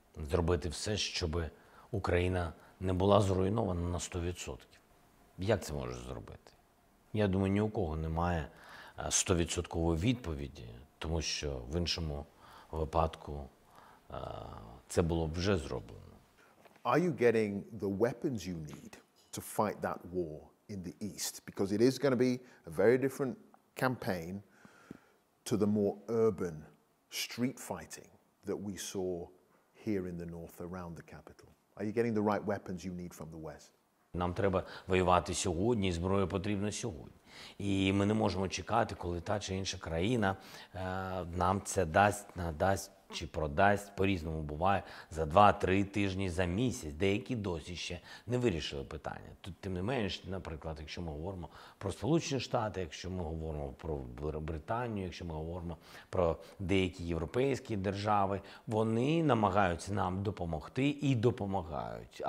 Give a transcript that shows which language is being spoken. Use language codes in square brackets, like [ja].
[uk] Зробити все, щоб Україна не була зруйнована на 100%. Як це можна зробити? Я думаю, ні у кого немає 100% відповіді, тому що в іншому випадку це було б вже зроблено. [en] Are you getting the weapons you need to fight that war in the East? Because it is going to be a very different campaign to the more urban street fighting that we saw here in the North around the capital. Are you getting the right weapons you need from the West? [uk] Нам треба воювати сьогодні, зброя потрібна сьогодні. І ми не можемо чекати, коли та чи інша країна нам це дасть, надасть чи продасть, по-різному буває, за 2-3 тижні, за місяць. Деякі досі ще не вирішили питання. Тут, тим не менш, наприклад, якщо ми говоримо про Сполучені Штати, якщо ми говоримо про Британію, якщо ми говоримо про деякі європейські держави, вони намагаються нам допомогти і допомагають.